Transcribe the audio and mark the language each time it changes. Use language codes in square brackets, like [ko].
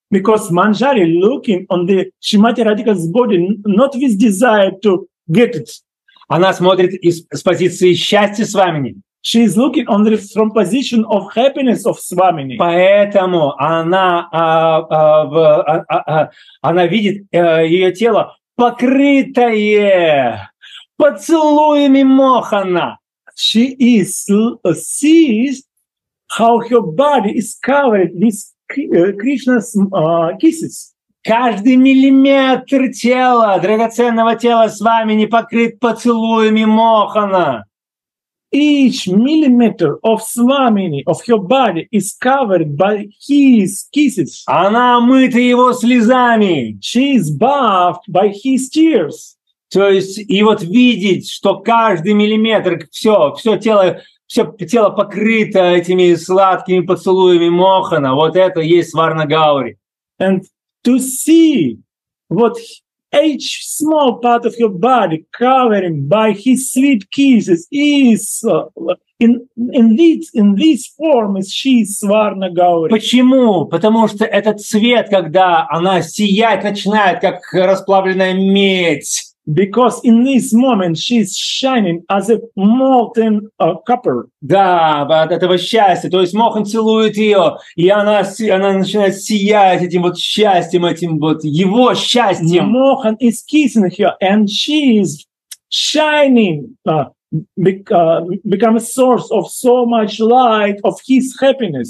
[en] Because Manjari looking on the Shrimati Radhika's body not with desire to get it. [ru] Она смотрит с позиции счастья Свамини. [en] She is looking on the from position of happiness of Swamini. [ru] Поэтому она видит ее тело покрытое поцелуями Мохана. [en] She is sees how her body is covered with Krishna's kisses. [ru] Каждый миллиметр тела, драгоценного тела Свамини покрыт поцелуями Мохана. [en] Each millimeter of Swamini, of her body, is covered by his kisses. [ru] Она омыта его слезами. [en] She is bathed by his tears. [ru] То есть, и вот видеть, что каждый миллиметр, все тело покрыто этими сладкими поцелуями Мохана, вот это есть Сварнагаури. [en] And to see what each small part of your body covering by his sweet kisses is in this form is she Swarna Gauri. [ru] Почему? Потому что этот цвет, когда она сияет, начинает как расплавленная медь. [en] Because in this moment she's shining as a molten copper. [ru] Да, от этого счастья. То есть Мохан целует ее, и она начинает сиять этим вот счастьем, этим вот его счастьем. [en] Mohan is kissing her, and she is shining, become a source of so much light of his happiness.